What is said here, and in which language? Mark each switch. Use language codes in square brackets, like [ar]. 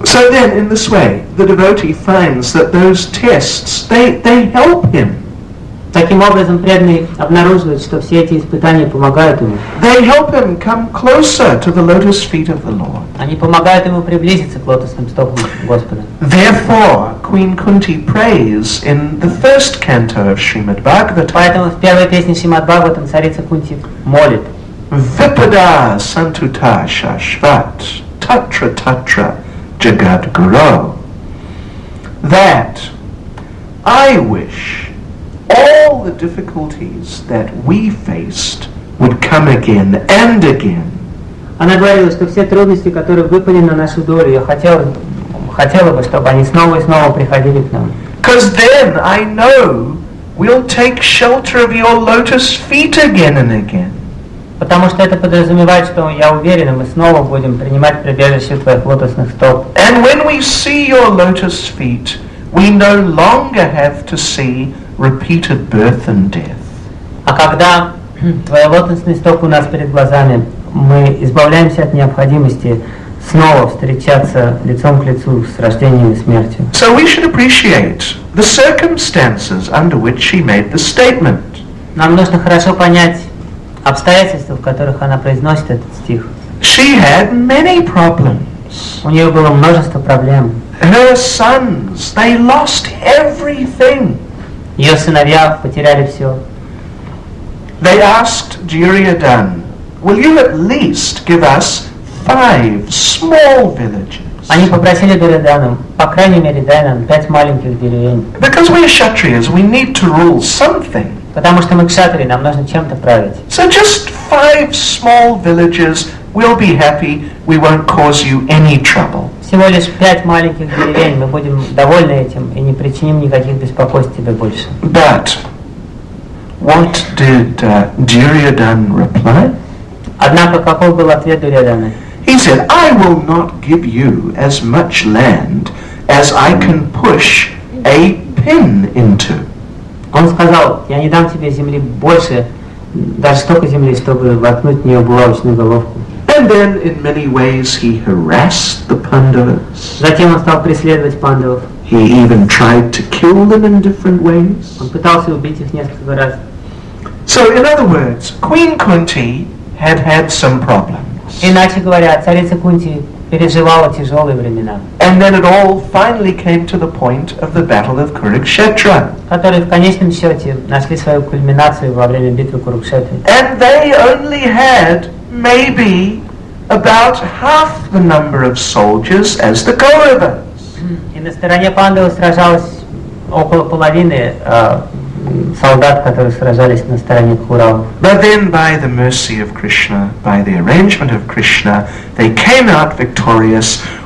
[en] So then, in this way, the devotee finds that those tests, they help him. [ru] Таким образом, преданный обнаруживает, что все эти испытания помогают ему. [en] They help him come closer to the lotus feet of the Lord. [ru] Они помогают ему приблизиться к лотосным стопам Господа. [en] Therefore, Queen Kunti prays in the first canto of Srimad Bhagavatam. [ru] Поэтому в первой песне Шримад Бхагаватам царица Кунти молит. [sa] Vipada santuta shashvat tatra tatra jagat guru. [en] That I wish all the difficulties that we faced would come again and again. [ru] Она говорила, что все трудности, которые выпали на нашу долю, я хотела бы, чтобы они снова и снова приходили к нам. [en] Because then I know we'll take shelter of your lotus feet again and again. [ru] Потому что это подразумевает, что я уверена, мы снова будем принимать прибежище твоих лотосных стоп. [en] And when we see your lotus feet, we no longer have to see repeated birth and death. [ru] А когда твои лотосные стопы у нас перед глазами, мы избавляемся от необходимости снова встречаться лицом к лицу с рождением и смертью. [en] So we should appreciate the circumstances under which she made the statement. [ru] Нам нужно хорошо понять обстоятельства, в которых она произносит этот стих. [en] She had many problems. [ru] У нее было множество проблем. [en] Her sons, they lost everything. [ru] Ее сыновья потеряли все. [en] They asked Duryodhan, will you at least give us 5 small villages? [ru] Они попросили Дурьодхана, по крайней мере, дай нам 5 маленьких деревень. [en] Because we are kshatriyas, we need to rule something. [ru] Потому что мы кшатрии, нам нужно чем-то править. [en] So just 5 small villages, we'll be happy, we won't cause you any trouble. [ru] Всего лишь 5 маленьких деревень, мы будем довольны этим и не причиним никаких беспокойств тебе больше. [en] But what did Duryodhan reply? [ru] Однако каков был ответ Дурьодхана? [en] He said, I will not give you as much land as I can push a pin into. [ru] Он сказал, я не дам тебе земли больше, даже столько земли, чтобы воткнуть в нее булавочную головку. [en] And then, in many ways, he harassed the Pandavas. [ru] Затем он стал преследовать Пандавов. [en] He even tried to kill them in different ways. [ru] Он пытался убить их несколько раз. [en] So, in other words, Queen Kunti had some problems. [ru] Иначе говоря, царица Кунти переживала тяжелые времена. [en] And then it all finally came to the point of the battle of Kurukshetra. [ru] Которые в конечном счете нашли свою кульминацию во время битвы Курукшетры. [en] And they only had maybe about half the number of soldiers as the Kauravas. [ru] И на стороне Пандавов сражалось около половины солдат, которые сражались на стороне Кауравов. [en] But then, by the mercy of Krishna, by the arrangement of Krishna, they came out victorious.